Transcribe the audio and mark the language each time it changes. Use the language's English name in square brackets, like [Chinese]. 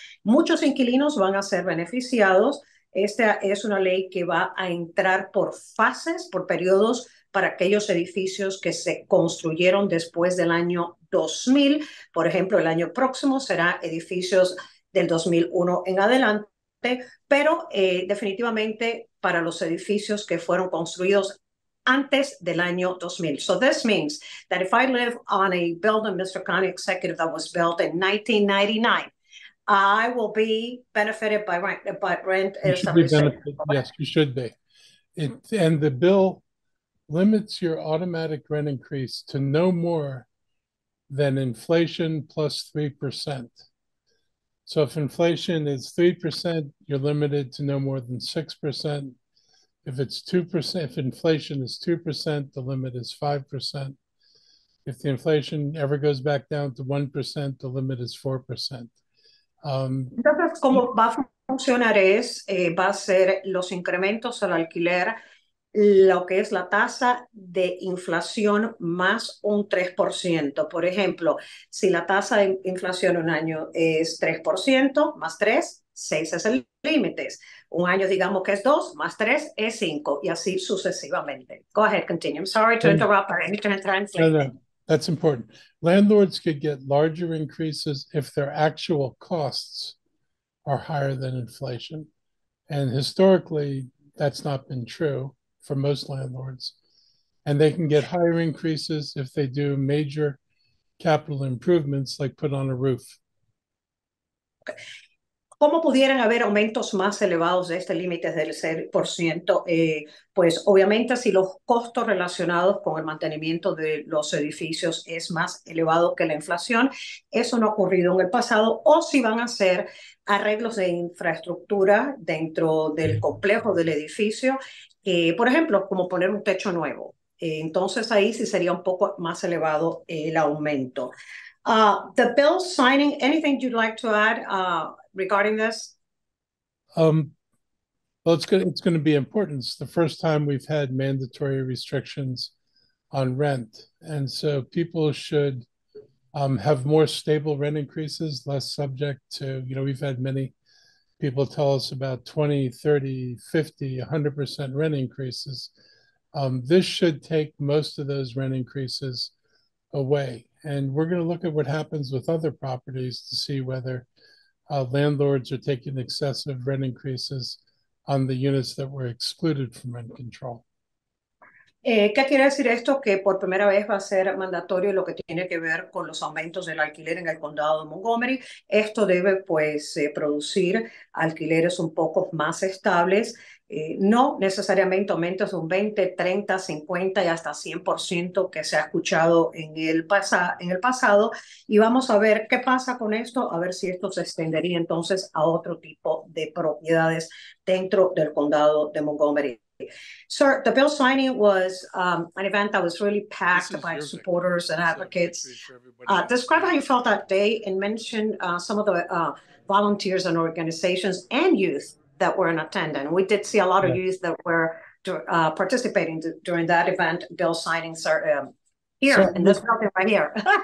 [Spanish] Muchos inquilinos van a ser beneficiados. Esta es una ley que va a entrar por fases, por periodos, para aquellos edificios que se construyeron después del año 2000. Por ejemplo, el año próximo será edificios del 2001 en adelante, pero definitivamente para los edificios que fueron construidos antes del año 2000. [English] So this means that if I live on a building, Mr. County Executive, that was built in 1999, I will be benefited by rent. Yes, you should be. And the bill limits your automatic rent increase to no more than inflation plus 3%. So if inflation is 3%, you're limited to no more than 6%. If it's 2%, if inflation is 2%, the limit is 5%. If the inflation ever goes back down to 1%, the limit is 4%. [Spanish] Entonces, ¿cómo va a funcionar? Va a ser los incrementos al alquiler, lo que es la tasa de inflación más un 3%. Por ejemplo, si la tasa de inflación un año es 3%, más 3, 6 es el límite. Un año, digamos que es 2, más 3 es 5, y así sucesivamente. [English] Go ahead, continue. I'm sorry to interrupt, but I need to translate. No, that's important. Landlords could get larger increases if their actual costs are higher than inflation. And historically, that's not been true for most landlords. And they can get higher increases if they do major capital improvements, like put on a roof. Okay. [Spanish] ¿Cómo pudieran haber aumentos más elevados de este límite del 6%? Pues obviamente si los costos relacionados con el mantenimiento de los edificios es más elevado que la inflación, eso no ha ocurrido en el pasado, o si van a ser arreglos de infraestructura dentro del complejo del edificio, por ejemplo, como poner un techo nuevo. Entonces ahí sí sería un poco más elevado el aumento. [English] The bill signing, anything you'd like to add regarding this? Well, it's going to be important. It's the first time we've had mandatory restrictions on rent. And so people should have more stable rent increases, less subject to, you know, we've had many people tell us about 20, 30, 50, 100% rent increases. This should take most of those rent increases away. And we're going to look at what happens with other properties to see whether landlords are taking excessive rent increases on the units that were excluded from rent control. [Spanish] ¿Qué quiere decir esto? Que por primera vez va a ser mandatorio lo que tiene que ver con los aumentos del alquiler en el condado de Montgomery. Esto debe, pues, producir alquileres un poco más estables. No necesariamente aumentos de un 20, 30, 50 y hasta 100% que se ha escuchado en el pasado. Y vamos a ver qué pasa con esto, a ver si esto se extendería entonces a otro tipo de propiedades dentro del condado de Montgomery. [English] Sir, the bill signing was an event that was really packed by supporters and advocates. Describe how you felt that day and mention some of the volunteers and organizations and youth that were in attendance. We did see a lot of youth that were participating during that event, bill signing, sir, here, so, in this building right here.